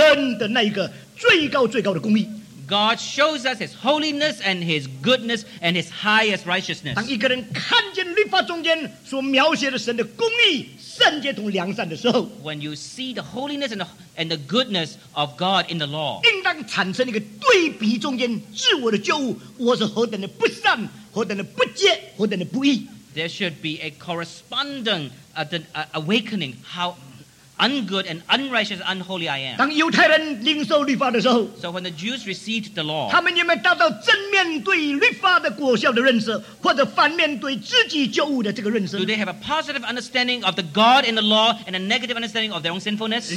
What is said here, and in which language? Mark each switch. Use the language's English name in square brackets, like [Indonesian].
[Chinese] 正面告诉我们神的圣洁、神的良善，同神的那一个最高最高的公义。 [English] God shows us His holiness and His goodness and His highest righteousness. [Chinese] 当一个人看见律法中间所描写的神的公义、圣洁同良善的时候， [English] when you see the holiness and the goodness of God in the law, [Chinese] 应当产生一个对比中间，自我的觉悟，我是何等的不善，何等的不洁，何等的不义。 [English] There should be a corresponding awakening how ungood and unrighteous, unholy I am. [Chinese] 当犹太人领受律法的时候， [English] so when the Jews received the law, [Chinese] 他们有没有达到正面对律法的果效的认识，或者反面对自己旧物的这个认识？ [English] Do they have a positive understanding of the God in the law and a negative understanding of their own sinfulness?